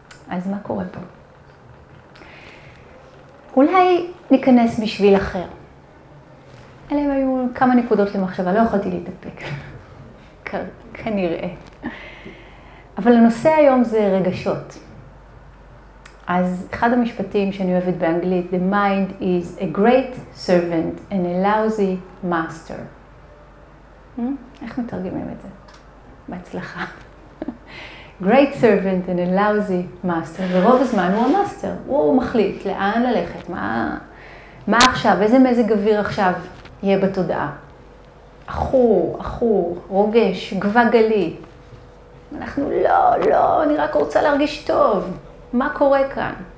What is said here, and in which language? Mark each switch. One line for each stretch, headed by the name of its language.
Hebrew: אז מה קורה פה? אולי ניכנס בשביל אחר. אלה היו כמה נקודות למחשבה, לא יכולתי להתאפק. כנראה. אבל הנושא היום זה רגשות. אז אחד המשפטים שאני אוהבת באנגלית,
English: the mind is a great servant and a lousy master.
Hebrew: איך מתרגמים את זה? בהצלחה.
English: great servant and a lousy master.
Hebrew: ורוב הזמן הוא המאסטר. הוא מחליט לאן ללכת, מה עכשיו, איזה מזג אוויר עכשיו יהיה בתודעה. אחור, אחור, רוגש, גבע גלי. אנחנו לא, אני רק רוצה להרגיש טוב. מה קורה כאן?